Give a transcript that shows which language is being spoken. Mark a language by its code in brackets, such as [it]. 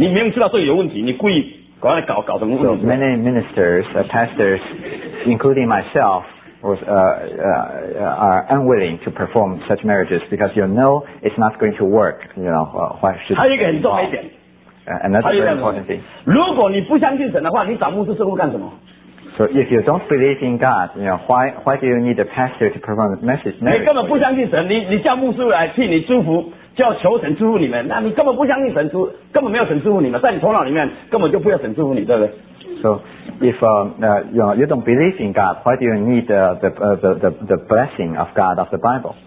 [zh] 有些牧师就不但像基督徒一样，不但愿意给这一个性格不信的人呢，给他证婚来鼓励他们叫他们结婚。你明知道这有问题，你故意搞成。 [en] So many ministers, pastors, including myself, was are unwilling to perform such marriages because you know it's not going to work. You know, why should? [zh] 还有一个很重要一点， [en] and that's very important thing. [zh] 如果你不相信神的话，你找牧师证婚干什么？ [en] So if you don't believe in God, you know, why do you need a pastor to perform a message? [zh] 你根本不相信神，你叫牧师来替你祝福，叫求神祝福你们，那你根本不相信神，根本没有神祝福你们，在你头脑里面根本就不要神祝福你，对不对？ [en] So if you don't believe in God, why do you need the blessing of God of the Bible?